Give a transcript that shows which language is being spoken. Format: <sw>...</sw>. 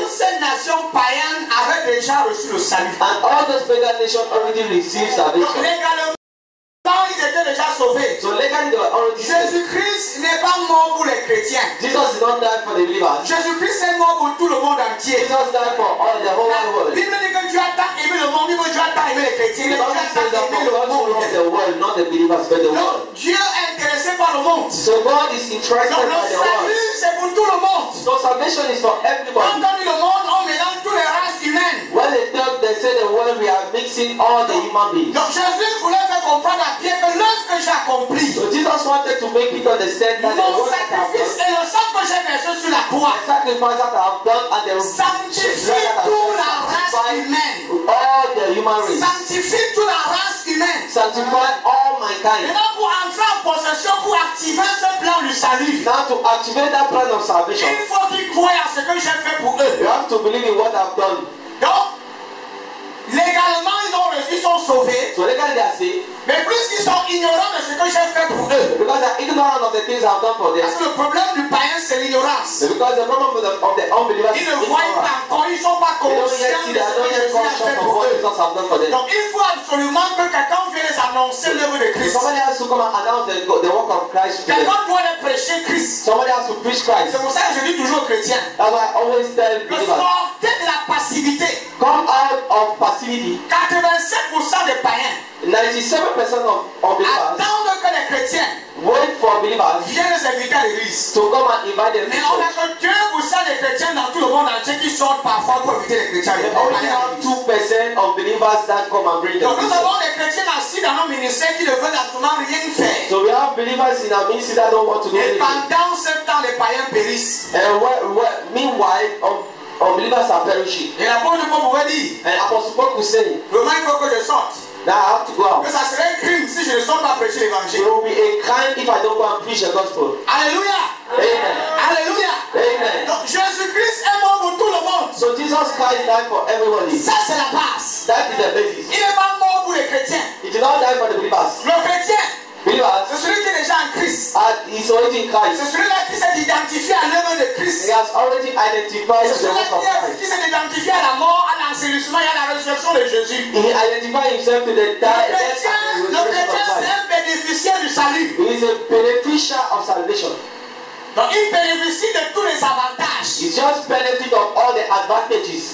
<fr>Toutes ces nations païennes avaient déjà reçu le salut.</fr> <en>And all those pagan nations already received salvation.</en> <fr>Ils étaient déjà sauvés.</fr> <en>So legally,</en> <fr>Jésus-Christ n'est pas mort pour les chrétiens.</fr> <en>Jesus did not die for the believers.</en> <fr>Jésus-Christ est mort pour tout le monde entier.</fr> <en>Jesus died for all the whole world.</en> <fr>Bible dit que Dieu a tant aimé le monde, Dieu a tant aimé les chrétiens. Donc Dieu est intéressé par le monde.</fr> <en>So God is interested</en> <fr>donc,</fr> <en>by the world.</en> <fr>Donc le salut c'est pour tout le monde.</fr> <en>So salvation is for everybody.</en> <fr>Quand on dit le monde, on mélange toutes les races humaines.</fr> <en>When they talk, they say the world. We are mixing all the human beings.</en> <fr>Donc Jésus voulait faire comprendre à Pierre que lorsque j'ai accompli.</fr> <en>So Jesus wanted to make people understand that</en> <fr>mon sacrifice et le sang que j'ai versé sur la croix.</fr> <en>Sacrifice that I have done and the</en> <fr>sanctifie tout la race humaine.</fr> <en>All the human race.</en> <fr>Sanctifie tout la race humaine.</fr> <en>Sanctify all mankind.</en> <fr>Maintenant pour entrer en possession, pour activer ce plan du salut.</fr> <en>Now to activate that plan of salvation.</en> <fr>Il faut qu'ils croient à ce que j'ai fait pour eux.</fr> <en>You have to believe in what I've done.</en> <fr>Donc, légalement ils ont reçu, ils sont sauvés.</fr> <en>So legally they are saved.</en> <fr>Mais plus qu'ils sont ignorants de ce que j'ai fait pour eux.</fr> <en>Because they are ignorant of the things I've done for them.</en> <fr>Parce que le problème du païen c'est l'ignorance.</fr> <en>Because the problem of the unbeliever is</en> <fr>ignorance. Ils ne voient pas quand ils ne sont pas conscients de ce que j'ai fait pour eux.</fr> <en>Have done for them.</en> <fr>Donc il faut absolument que quelqu'un vienne annoncer l'œuvre de Christ.</fr> <en>Somebody has to come and announce the work of Christ.</en> <fr>Quelqu'un doit aller prêcher Christ.</fr> <en>Somebody has to preach Christ.</en> <fr>C'est pour ça que je dis toujours aux chrétiens.</fr> <en>That's why I always tell believers.</en> <fr>Sortez de la passivité.</fr> <en>Come out of passivity.</en> <fr>87% des païens.</fr> <en>97% of</en> <fr>attendre que les chrétiens</fr> <en>wait for believers</en> <fr>viennent s'inviter à l'église</fr> <en>to come and invite them.</en> <fr>Mais on a que 2% des chrétiens dans tout le monde entier qui sortent parfois pour inviter les chrétiens.</fr> <en>We only have 2% of believers that come and bring them.</en> <fr>Donc nous avons des chrétiens assis dans nos ministères qui ne veulent absolument rien faire.</fr> <en>So we have believers in our ministry that don't want to do anything.</en> <fr>Et pendant ce temps les païens périssent.</fr> <en>And unbelievers are perishing.</en> <fr>Et l'apôtre Paul vous dit.</fr> <en>And apostle Paul</en> <fr>vous dit. Romain faut que je sorte.</fr> <en>That I have to go out.</en> <fr>Mais ça serait un crime si je ne sors pas prêcher l'évangile.</fr> <en>It will be a crime if I don't go and preach the gospel. Alléluia. Amen. Alléluia. Amen.</en> <fr>Donc Jésus-Christ est mort pour tout le monde.</fr> <en>So Jesus Christ died for everybody.</en> <fr>Ça c'est la base.</fr> <en>That is the basis.</en> <fr>Il n'est pas mort pour les chrétiens.</fr> <en>He did not die for the believers.</en> <fr>Le chrétien.</fr> <en>Believers.</en> <fr>C'est celui qui est déjà en Christ.</fr> <en>He's already in Christ.</en> <fr>C'est celui-là qui s'est identifié à l'œuvre de Christ.</fr> <en>He has already identified the work of Christ.</en> <fr>Qui s'est identifié à la mort, à l'ensevelissement et à la résurrection de Jésus.</fr> <en>He identified himself to the death.</en> <fr>Le chrétien, c'est un bénéficiaire du salut.</fr> <en>He is a beneficiary of salvation.</en> <fr>Donc il bénéficie de tous les avantages.</fr> <en>He just benefit of all the advantages.</en>